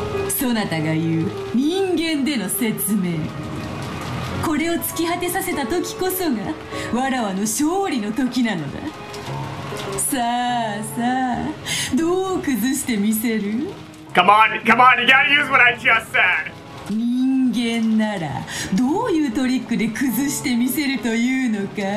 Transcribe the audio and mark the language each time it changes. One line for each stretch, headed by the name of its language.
Japanese: そなたが言う人間での説明、これを突き果てさせた時こそがわらわの勝利の時なのだ。さあさあ、どう崩してみせる？
English: Come on, come on, you gotta use what I just said.
Japanese: 人間ならどういうトリックで崩してみせるというのか？